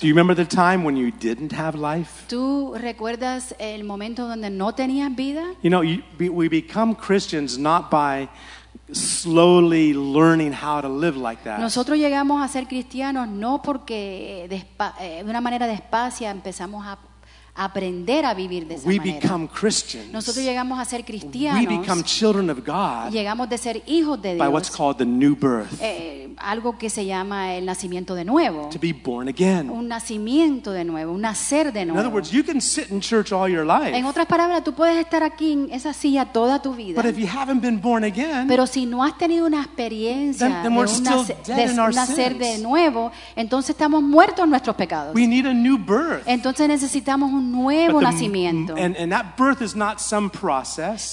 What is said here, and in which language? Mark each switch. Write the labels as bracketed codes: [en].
[en] Do you remember the time when you didn't have life? [es] ¿Tú recuerdas el momento donde no tenías vida? [en] You know, we become Christians not by slowly learning how to live like that. [es] Nosotros llegamos a ser cristianos no porque de una manera despacia empezamos a aprender a vivir de esa [en] we [es] manera. [en] Become Christians. [es] Nosotros llegamos a ser cristianos. [en] We become children of God. [es] Llegamos de ser hijos de Dios. [en] By what's called the new birth. [es] Algo que se llama el nacimiento de nuevo. [en] To be born again. [es] Un nacimiento de nuevo, un nacer de nuevo. [en] In other words, you can sit in church all your life. [es] En otras palabras, tú puedes estar aquí en esa silla toda tu vida. [en] But if you haven't been born again, [es] pero si no has tenido una experiencia de nacer de nuevo, entonces estamos muertos en nuestros pecados. [en] We need a new birth. [es] Entonces necesitamos un nuevo nacimiento. [en] And that birth is not some process.